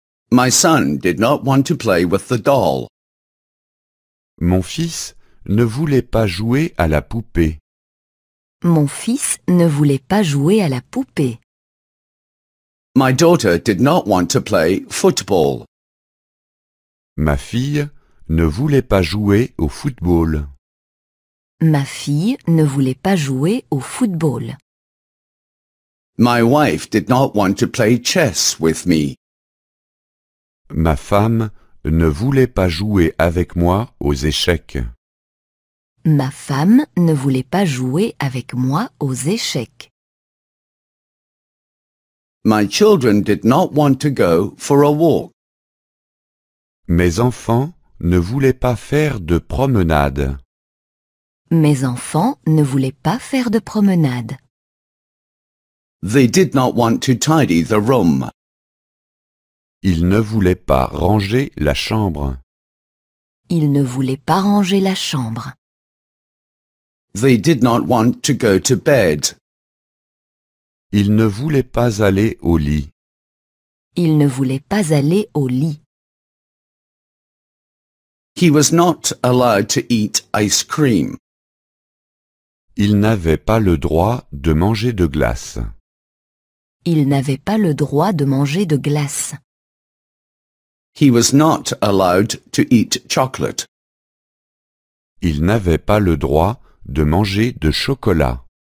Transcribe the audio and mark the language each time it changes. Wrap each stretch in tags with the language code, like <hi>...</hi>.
<en>My son did not want to play with the doll.</en> <fr>Mon fils ne voulait pas jouer à la poupée. Mon fils ne voulait pas jouer à la poupée.</fr> <en>My daughter did not want to play football.</en> <fr>Ma fille ne voulait pas jouer au football. Ma fille ne voulait pas jouer au football.</fr> <en>My wife did not want to play chess with me.</en> <fr>Ma femme ne voulait pas jouer avec moi aux échecs. Ma femme ne voulait pas jouer avec moi aux échecs.</fr> <en>My children did not want to go for a walk.</en> <fr>Mes enfants ne voulaient pas faire de promenade. Mes enfants ne voulaient pas faire de promenade.</fr> <en>They did not want to tidy the room.</en> <fr>Ils ne voulaient pas ranger la chambre. Ils ne voulaient pas ranger la chambre.</fr> <en>They did not want to go to bed.</en> <fr>Ils ne voulaient pas aller au lit. Ils ne voulaient pas aller au lit.</fr> <en>He was not allowed to eat ice cream.</en> <fr>Il n'avait pas le droit de manger de glace. Il n'avait pas le droit de manger de glace.</fr> <en>He was not allowed to eat chocolate.</en> <fr>Il n'avait pas le droit de manger de chocolat.</fr>